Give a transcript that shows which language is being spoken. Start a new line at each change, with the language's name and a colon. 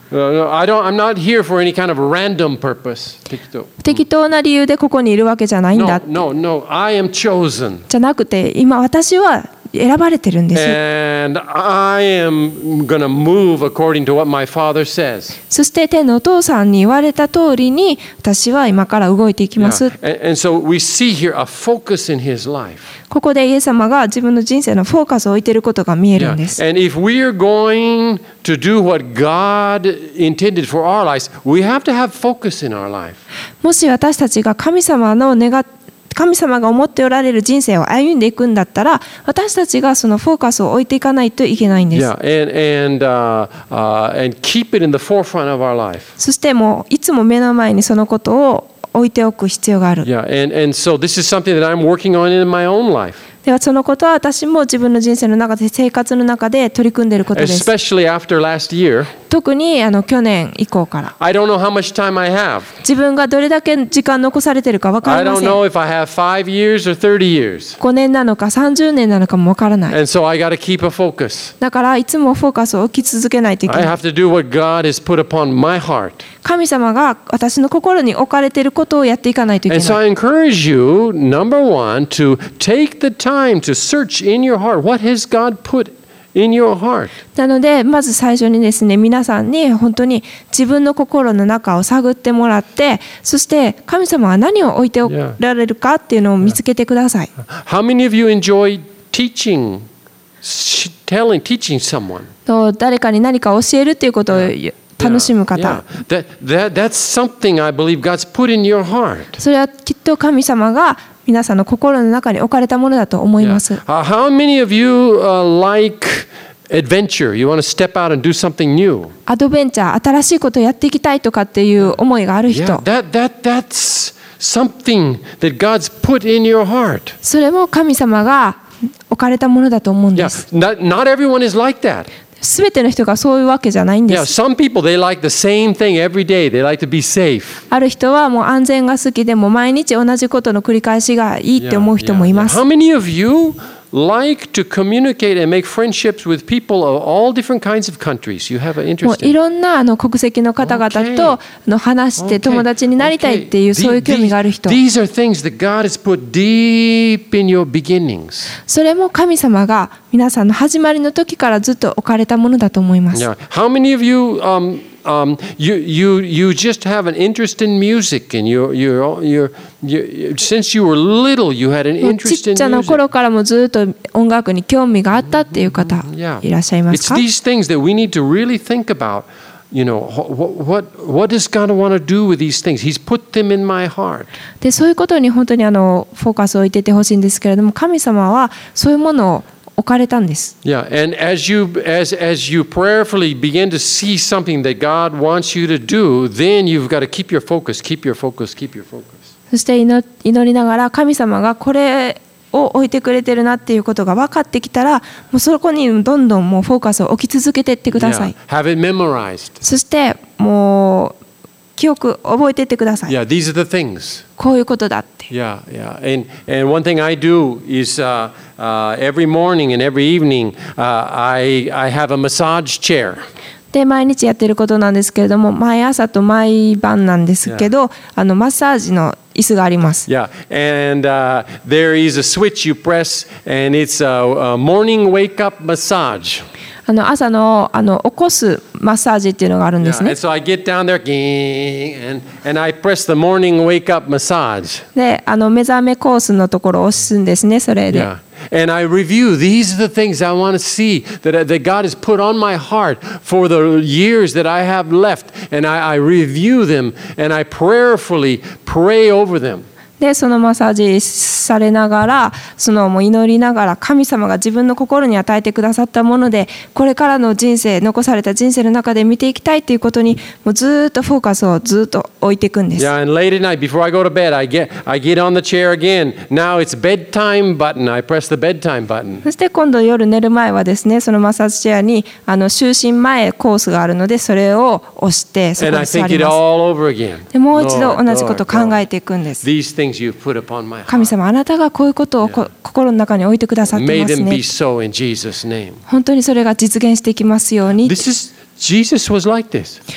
English: I'm not here for any kind of random purpose.
Japanese: 適当な理由でここにいるわけじゃないんだ。
English: No, I am chosen.
Japanese: じゃなくて、今私は選ばれてるんです。
English: And I am gonna move according to what my father says.
Japanese: そして天のお父さんに言われた通りに、私は今から動いていきます。
English: And so we see here a focus in his life.
Japanese: ここでイエス様が自分の人生のフォーカスを置いていることが見えるんです。
English: And if we are going to do what God intended for our lives, we have to have focus in our life.
Japanese: もし私たちが神様が思っておられる人生を歩んでいくんだったら、私たちがそのフォーカスを置いていかないといけないんです。
English: Yeah, and keep it in the forefront of our life.
Japanese: そしてもういつも目の前にそのことを置いておく必要がある。
English: Yeah, and so this is something that I'm working on in my own life.
Japanese: ではそのことは私も自分の人生の中で生活の中で取り組んでいることです。
English: After last year,
Japanese: 特に去年以降から。
English: I don't know how much time I have.
Japanese: 自分がどれだけ時間残されているか分かりません。
English: I don't know if I have 5 years or 30 years.
Japanese: 5年なのか30年なのかも分からない。
English: And so I gotta keep a focus.
Japanese: だからいつもフォーカスを置き続けないといけない。
English: I have to do what God has put upon my heart.
Japanese: 神様が私の心に置かれていることをやっていかないといけない。
English: And so I encourage you, number one, to take the timeTo search in your heart, what has God put in your heart?
Japanese: なのでまず最初にですね、皆さんに本当に自分の心の中を探ってもらって、そして神様は何を置いておられるかっていうのを見つけてください。
English: How many of you enjoy teaching, teaching someone?
Japanese: と誰かに何か教えるっていうことを。楽しむ方。
English: Yeah, that's something I believe God's put in your heart.
Japanese: それはきっと神様が皆さんの心の中に置かれたものだと思います。
English: Yeah. How many of you like adventure? You want to step out and do something new?
Japanese: アドベンチャー、新しいことをやっていきたいとかっていう思いがある人。
English: Yeah, that's something that God's put in your heart.
Japanese: それも神様が置かれたものだと思うんです。
English: Yeah, not everyone is like that.
Japanese: すべての人がそういうわけじゃないんです。
English: Yeah, some people they like the same thing every day. They like to be safe.
Japanese: ある人はもう安全が好きでも毎日同じことの繰り返しがいいって思う人もいます。
English: How many of you like to communicate and make friendships with people of all different kinds of countries. You have an interest.
Japanese: もういろんなあの国籍の方々との話して友達になりたいっていうそういう興味がある人。
English: These are things that God has put deep in your beginnings.
Japanese: それも神様が皆さんの始まりの時からずっと置かれたものだと思います。
English: How many of you you just have an interest in music and you're since you were little you had an interest in music.
Japanese: ちっちゃな頃からもずっと音楽に興味があったっていう方いらっしゃいますか？
English: It's these things that we need to really think about. You know what does God want to do with these things? He's put them in my heart.
Japanese: でそういうことに本当にあのフォーカスを置いててほしいんですけれども、神様はそういうものを置かれたんです。
English: Yeah, and as you prayerfully begin to see something that God wants you to do, then you've got to keep your focus, keep your focus, keep your focus.
Japanese: そして祈りながら神様がこれを置いてくれてるなっていうことが分かってきたら、もうそこにどんどんもうフォーカスを置き続けてってください。
English: Yeah, have it memorized.
Japanese: そしてもう記憶覚えてってください。
English: Yeah, these are the things.
Japanese: こういうことだって。
English: Yeah, yeah. And one thing I do is every morning and every evening, I have a massage chair.
Japanese: で毎日やってることなんですけれども、毎朝と毎晩なんですけど、yeah. あのマッサージの椅子があります。
English: Yeah, and there is a switch you press, and it's a morning wake up massage.
Japanese: あの朝 の, あの起こすマッサージっていうのがあるんですね。
English: Yeah, so I get down there, and I press the morning wake up massage.
Japanese: で、あの目覚めコースのところを押すんですね、それで。
English: Yeah. And I review, these are the things I want to see that God has put on my heart for the years that I have left. And I review them, and I prayerfully pray over them.
Japanese: でそのマッサージされながらそのもう祈りながら神様が自分の心に与えてくださったものでこれからの人生残された人生の中で見ていきたいということにもうずっとフォーカスをずっと置いていくんです。
English: Yeah, and late at night before I go to bed I get on the chair again. Now it's bedtime button. I press the bedtime button.
Japanese: そして今度夜寝る前はですねそのマッサージチェアにあの就寝前コースがあるのでそれを押してそこに座ります。
English: And I think it all over again.
Japanese: でもう一度同じことを考えていくんです。
English: Lord, Lord, Lord. Things you've put upon my heart.
Japanese: 神様あなたがこういうことを心の中に置いてくださってますね。本当にそれが実現していきますように。
English: This is, Jesus was like this.